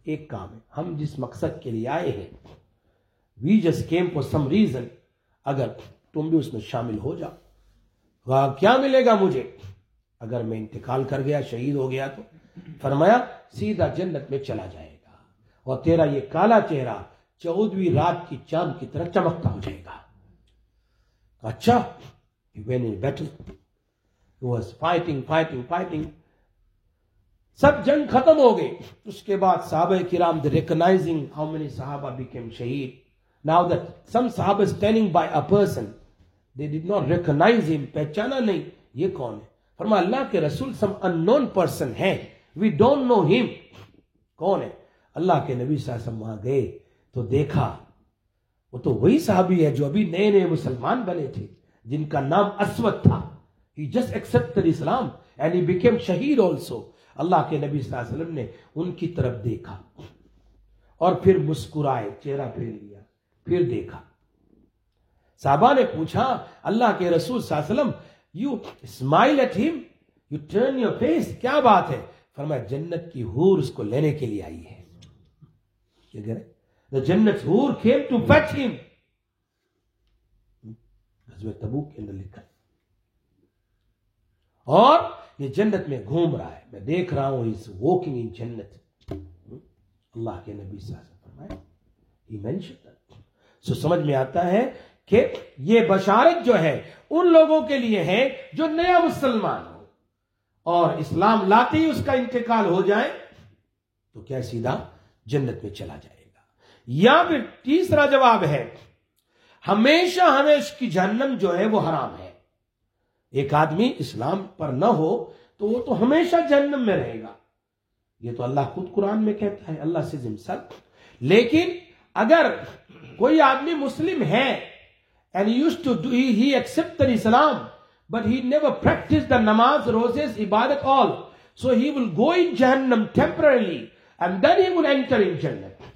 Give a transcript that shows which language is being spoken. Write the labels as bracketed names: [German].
[Urdu] ایک کام ہے، ہم جس مقصد کے لیے آئے ہیں، [English] we just came for some reason, [Urdu] اگر تم بھی اس میں شامل ہو جاؤ، کیا ملے گا مجھے اگر میں انتقال کر گیا، شہید ہو گیا؟ تو فرمایا سیدھا جنت میں چلا جائے گا، اور تیرا یہ کالا چہرہ 14ویں رات کی چاند کی طرح چمکتا ہو جائے گا. اچھا، [English] when in battle he was fighting, [Urdu] سب جنگ ختم ہو گئے، اس کے بعد صحابہ کرام [English] recognizing how many [Urdu] صحابہ became شہید. [English] Now that some صحابہ standing by a person, they did not recognize him, [Urdu] پہچانا نہیں یہ کون ہے. فرما اللہ کے رسول [English] some unknown person ہے، we don't know him کون ہے. [Urdu] اللہ کے نبی صلی اللہ علیہ وسلم وہاں گئے تو دیکھا، وہ تو وہی صحابی ہے جو ابھی نئے نئے مسلمان بنے تھے، جن کا نام اسود تھا. [English] He just accepted Islam and he became شہید also. [Urdu] اللہ کے نبی صلی اللہ علیہ وسلم نے ان کی طرف دیکھا اور پھر مسکرائے، چہرہ پھیر لیا، پھر دیکھا. صحابہ نے پوچھا اللہ کے رسول صلی اللہ علیہ وسلم، [English] you smile at him, you turn your face، [Urdu] کیا بات ہے؟ فرمایا جنت کی حور اس کو لینے کے لیے آئی ہے. [English] The jannat hoor came to fetch him. [Urdu] غزوہ تبوک کے اندر لکھا، اور یہ جنت میں گھوم رہا ہے، میں دیکھ رہا ہوں، [English] he's walking in jannat. [Urdu] اللہ کے نبی صلی اللہ علیہ وسلم فرمائے، [English] he mentioned that. [Urdu] So سمجھ میں آتا ہے کہ یہ بشارت جو ہے ان لوگوں کے لیے ہے جو نیا مسلمان ہو اور اسلام لاتے ہی اس کا انتقال ہو جائے تو کیا سیدھا جنت میں چلا جائے گا. یا پھر تیسرا جواب ہے، ہمیشہ ہمیشہ کی جہنم جو ہے وہ حرام ہے. ایک آدمی اسلام پر نہ ہو تو وہ تو ہمیشہ جہنم میں رہے گا، یہ تو اللہ خود قرآن میں کہتا ہے، اللہ سے ذمسل. لیکن اگر کوئی آدمی مسلم ہے [English] and he used to do, he accepted Islam but he never practiced the namaz, roses, ibadat all, so he will go in jahannam temporarily and then he will enter in jannat.